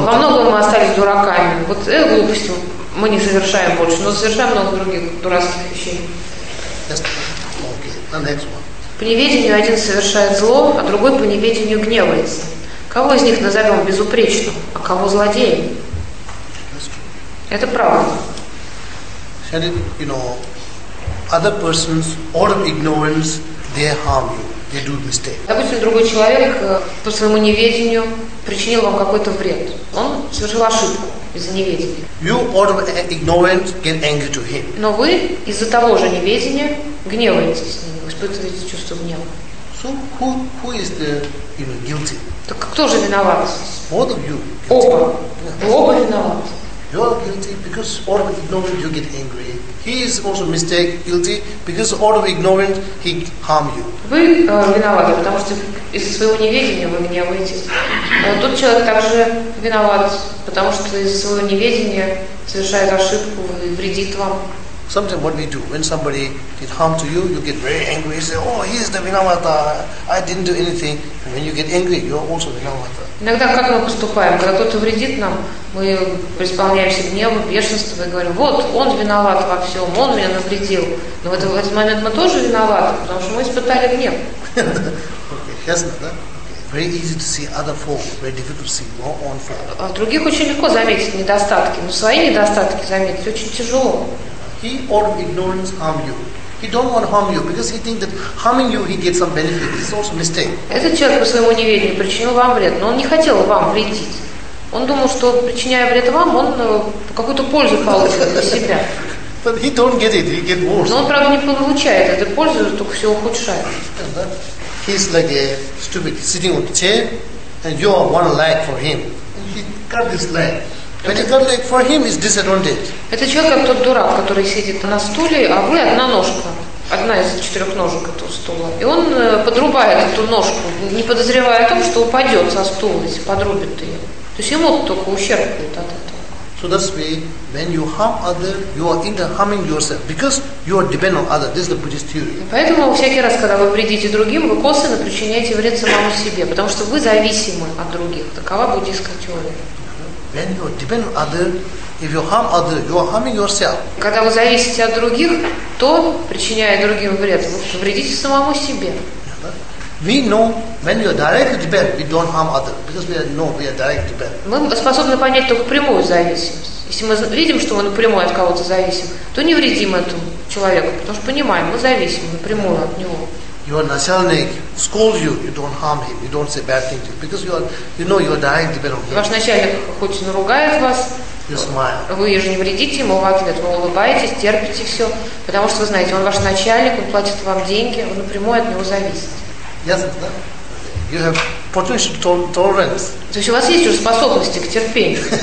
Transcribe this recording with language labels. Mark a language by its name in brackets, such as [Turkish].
[Russian] Во многом мы остались дураками. Вот эту глупость мы не совершаем больше. Но совершаем много других дурацких вещей. [English] Yes. Okay. The next one. [Russian] По неведению один совершает зло, а другой по неведению гневается. Кого из них назовем безупречным, а кого злодеем? Это правда. [English] Said it, you know, other persons out of ignorance they harm you, they do mistake. [Russian] Допустим, другой человек по своему неведению причинил вам какой-то вред. Он совершил ошибку из-за неведения. [English] You out of ignorance get angry to him. [Russian] Но вы из-за того же неведения гневаетесь с ним. Испытываете чувство гнева. [English] So who is the, you know, guilty? [Russian] Так кто же виноват? [English] Both of you. [Russian] Оба. Yeah. Оба виноваты. [English] You are guilty because out of ignorance you get angry. He is also mistake guilty because out of ignorance he harm you. [Russian] Вы виноваты, потому что из-за своего неведения вы гневаетесь. Вот тот человек также виноват, потому что из-за своего неведения совершает ошибку и вредит вам. [English] Sometimes what we do, when somebody did harm to you, you get very angry. You say, oh, he is the Vinavata, I didn't do anything. And when you get angry, you are also Vinavata. [Russian] Иногда как мы поступаем? Когда кто-то вредит нам, мы преисполняемся гневу, бешенству и говорим, вот, он виноват во всем, он меня навредил. Но в этот момент мы тоже виноваты, потому что мы испытали гнев. [English] Okay, [Russian] ясно, да? [English] Very easy to see other faults, very difficult to see your own faults. [Russian] А в других очень легко заметить недостатки, но свои недостатки заметить очень тяжело. [English] He or ignorance harm you. He don't want to harm you because he thinks that harming you he gets some benefit. This is also a mistake. [Russian] Этот человек по своему неведению причинил вам вред, но он не хотел вам вредить. Он думал, что причиняя вред вам, он какую-то пользу получит для себя. [English] But he don't get it. He get worse. [Russian] Но он правда не получает эту пользу, только все ухудшает. [English] He's like a stupid sitting on the chair, and you are one leg for him. And he cut his leg. But it's not like for him is disadvantage. [Russian] Это человек как тот дурак, который сидит на стуле, а вы одна ножка, одна из четырех ножек этого стула. И он подрубает эту ножку, не подозревая о том, что упадет со стула, если подрубит ее. То есть ему только ущерб будет от этого. [English] So that's why when you harm other, you are either harming yourself because you are dependent on other. This is the Buddhist theory. [Russian] Поэтому всякий раз, когда вы вредите другим, вы косвенно причиняете вред самому себе, потому что вы зависимы от других. Такова буддийская теория. [English] When you depend on other, if you harm other, you are harming yourself. [Russian] Когда вы зависите от других, то причиняя другим вред, вы вредите самому себе. [English] We know when you are directly dependent, we don't harm other because we know we are directly dependent. [Russian] Мы способны понять только прямую зависимость. Если мы видим, что мы напрямую от кого-то зависим, то не вредим этому человека, потому что понимаем, мы зависимы напрямую от него. [English] Your начальник scold you, you don't harm him, you don't say bad things, because you are, you know you are dying to be wrong. [Russian] Ваш начальник хоть и наругает вас, [English] you smile. [Russian] Вы же не вредите ему в ответ, вы улыбаетесь, терпите все, потому что вы знаете, он ваш начальник, он платит вам деньги, вы напрямую от него зависите. [English] Yes, no? You have potential tolerance. [Russian] То есть у вас есть уже способности к терпению.